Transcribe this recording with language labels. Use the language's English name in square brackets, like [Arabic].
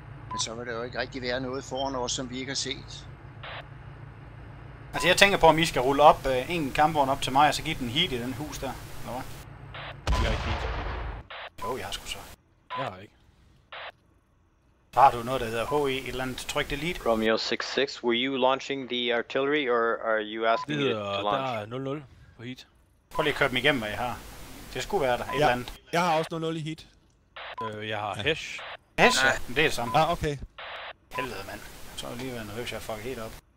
[Danish] Men så vil det jo ikke rigtig være noget foran os, som vi ikke har set. Altså jeg tænker på, om I skal rulle op en kampvogn op til mig, og så give den heat i den hus der. Nå. Jeg har ikke heat. Jo, jeg har sgu så. Jeg har ikke. Så har du noget, der hedder HE, et eller andet tryk delete. [English] Romeo 66, were you launching the artillery, or are you asking [Danish] det, [English] it to launch? [Danish] Der er 0-0 på heat. Prøv lige at køre dem igennem, hvad jeg har. Det skulle være der, et eller andet. Jeg har også 0-0 i heat. Jeg har hash. Hash, ja. Det er det samme. Ah, okay. Helvede, mand. Jeg tror lige, at jeg er nervøs, jeg fucker helt op.